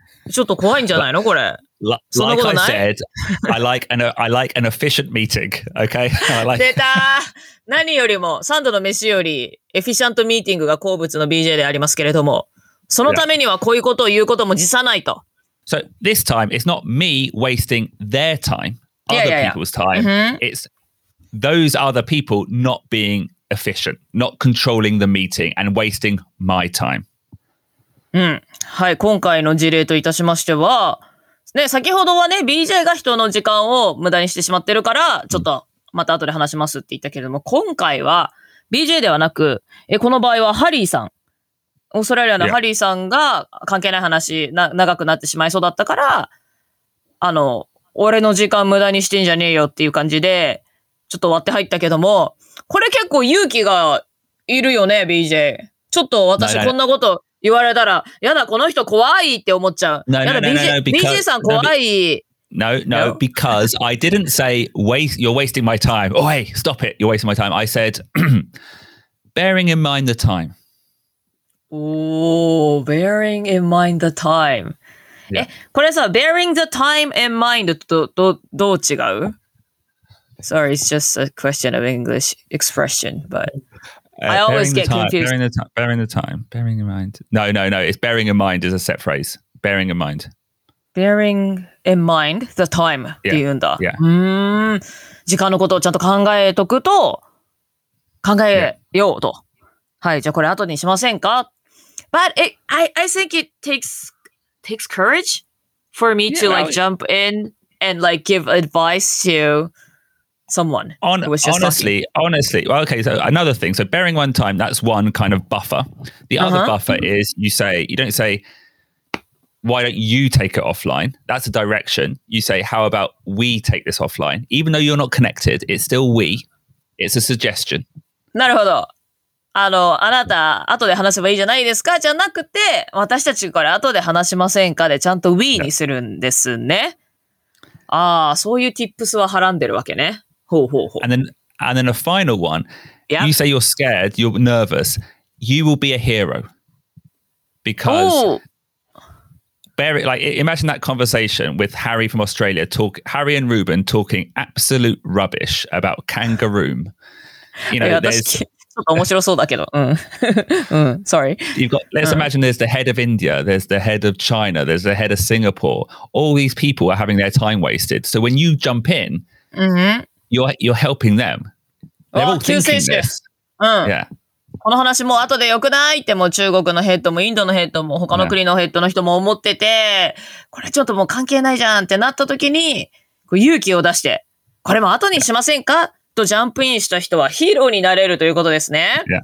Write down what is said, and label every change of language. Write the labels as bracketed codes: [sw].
[ja] ちょっと怖いんじゃないのこれ。そんなことない。 [en] Like I said, I like an efficient meeting, okay? [ja] 出た。何よりも、サンドの飯より、エフィシャントミーティングが好物の BJ でありますけれども、そのためにはこういうことを言うことも辞さないと。 [en] So this time, it's not me wasting their time, other people's time. It's those other people not being efficient, not controlling the meeting and wasting my time. [ja] うん、はい、今回の事例といたしましては、ね、先ほどはね、BJ が人の時間を無駄にしてしまってるから、ちょっとまた後で話しますって言ったけれども、今回は BJ ではなく、この場合はハリーさん、オーストラリアのハリーさんが関係ない話、長くなってしまいそうだったから、あの、俺の時間無駄にしてんじゃねえよっていう感じで、ちょっと割って入ったけども、これ結構勇気がいるよね、BJ。ちょっと私こんなこと、言われたら、やだ、この人怖いって思っちゃう。 [en] No, [ja] BJ さん怖い。 [en] No, because I didn't say, you're wasting my time. Oh, hey, stop it, you're wasting my time. I said, bearing in mind the time. Oh, bearing in mind the time.、Yeah. [ja] これさ、 [en] bearing the time in mind [ja] とどう違う? [en] Sorry, it's just a question of English expression, but... I always get confused. Bearing in mind. No. It's bearing in mind is a set phrase. Bearing in mind. Bearing in mind the time. Yeah. [ja] っていうんだ。時間のことをちゃんと考えとくと、考えようと。はい、じゃあこれ後にしませんか? [en] But I think it takes courage for me to like jump in and like give advice to... Someone. Honestly. Well, okay, so another thing. So bearing one time, that's one kind of buffer. The other buffer is you don't say, why don't you take it offline? That's a direction. You say, how about we take this offline? Even though you're not connected, it's still we. It's a suggestion. [ja] なるほど。あの、あなた、後で話せばいいじゃないですか?じゃなくて、私たちから後で話しませんかでちゃんと we にするんですね。ああ、そういうティップスははらんでるわけね。ほうほうほう。 [en] And then a final one. Yeah. You say you're scared, you're nervous. You will be a hero. Imagine that conversation with Harry from Australia, Harry and Ruben talking absolute rubbish about kangaroo. You know, [ja] ちょっと面白そうだけど。 [en] Sorry. Let's imagine there's the head of India, there's the head of China, there's the head of Singapore. All these people are having their time wasted. So when you jump in, You're helping them. They're all thinking this. [ja] この話も後で良くないって、もう中国のヘッドもインドのヘッドも他の国のヘッドの人も思ってて、これちょっともう関係ないじゃんってなった時に、勇気を出して、これも後にしませんかとジャンプインした人はヒーローになれるということですね。